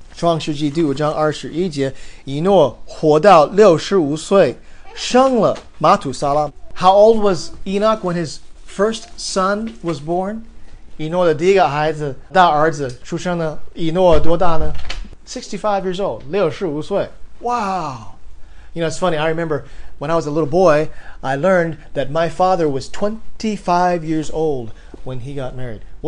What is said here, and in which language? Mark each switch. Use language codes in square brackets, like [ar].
[zh] 创世纪第五章21节, 以诺活到65岁, 生了马土撒拉. [en] How old was Enoch when his first son was born? [zh] 以诺的第一个孩子,大儿子出生呢, 以诺多大呢? [en] 65 years old, [zh] 65岁. [en] Wow! You know, it's funny, I remember when I was a little boy, I learned that my father was 25 years old when he got married.